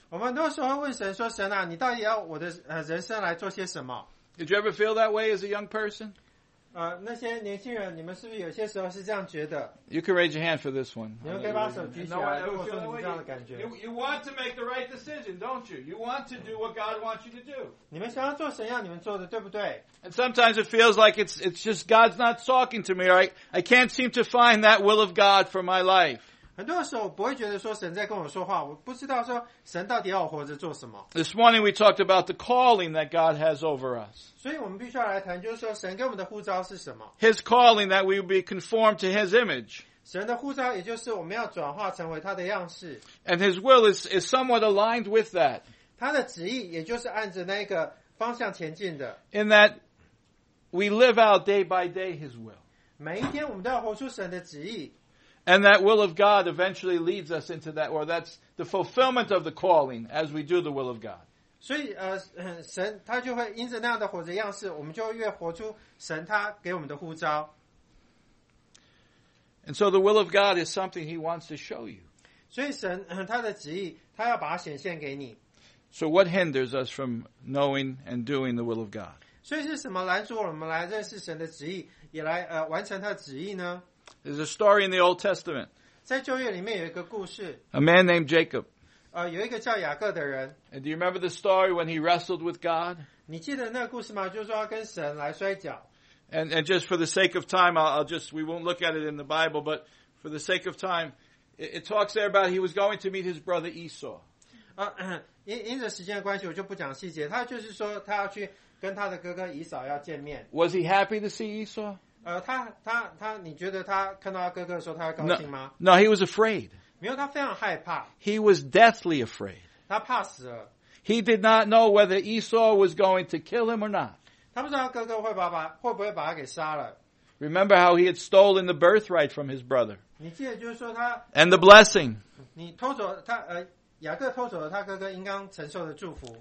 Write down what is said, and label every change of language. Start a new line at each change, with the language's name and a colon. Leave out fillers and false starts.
Chinese: 我们都说会问神说，神啊，你到底要我的人生来做些什么？
English: Did you ever feel that way as a young person?
Chinese: 那些年轻人，你们是不是有些时候是这样觉得
English: ？You can raise your hand for this one.
Chinese: 你们可以把手举起来，跟我说你们这样的感觉。
English: You want to make the right decision, don't you? You want to do what God wants you to do.
Chinese: 你们想要做神要你们做的，对不对
English: ？And sometimes it feels like it's just God's not talking to me, or I can't seem to find that will of God for my life.
Chinese: 很多时候不会觉得说神在跟我说话，我不知道说神到底要我活着做什么。
English: This morning we talked about the calling that God has over us.
Chinese: 所以我们必须要来谈，就是说神给我们的呼召是什么。
English: His calling that we would be conformed to His image.
Chinese: 神的呼召也就是我们要转化成为他的样式。
English: And His will is somewhat aligned with that.
Chinese: 他的旨意也就是按着那个方向前进的。
English: In that we live out day by day His will.
Chinese: 每一天我们都要活出神的旨意。
English: And that will of God eventually leads us into that, or that's the fulfillment of the calling as we do the will of God.
Chinese: 所以神他就会因着那样的活着样式，我们就越活出神他给我们的呼召。
English: And so the will of God is something He wants to show you.
Chinese: 所以神他的旨意，他要把它显现给你。
English: So what hinders us from knowing and doing the will of God?
Chinese: 所以是什么拦阻我们来认识神的旨意，也来完成他的旨意呢？
English: There's a story in the Old Testament.
Chinese: 在旧约里面有一个故事。
English: A man named Jacob.
Chinese: 有一个叫雅各的人。
English: And do you remember the story when he wrestled with God?
Chinese: 你记得那个故事吗？就是说他跟神来摔跤。
English: And just for the sake of time, we won't look at it in the Bible, but for the sake of time, it talks there about he was going to meet his brother Esau.
Chinese: 因着时间的关系，我就不讲细节。他就是说他要去跟他的哥哥以扫要见面。
English: Was he happy to see Esau?
Chinese: 他你觉得他看到他哥哥的时候他会高兴吗
English: no, he was afraid.
Chinese: 没有，他非常害怕。
English: He was deathly afraid.
Chinese: 他怕死了。
English: He did not know whether Esau was going to kill him or not.
Chinese: 他不知道哥哥会不会把他给杀了。
English: Remember how he had stolen the birthright from his brother.
Chinese: 你记得就是说他。
English: And the blessing.
Chinese: 你偷走他雅各偷走了他哥哥应当承受的祝福。